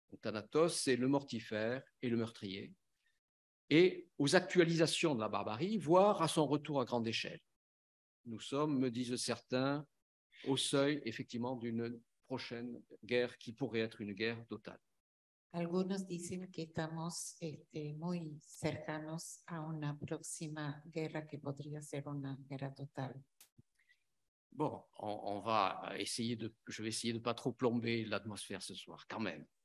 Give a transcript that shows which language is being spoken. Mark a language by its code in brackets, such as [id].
[fr] Thanatos, c'est le mortifère et le meurtrier. Et aux actualisations de la barbarie, voire à son retour à grande échelle. Nous sommes, me disent certains, au seuil, effectivement, d'une prochaine guerre qui pourrait être une guerre totale. [es] Algunos dicen que estamos muy cercanos a una próxima guerra que podría ser una guerra total. [fr] Bon, je vais essayer de pas trop plomber l'atmosphère ce soir, quand même.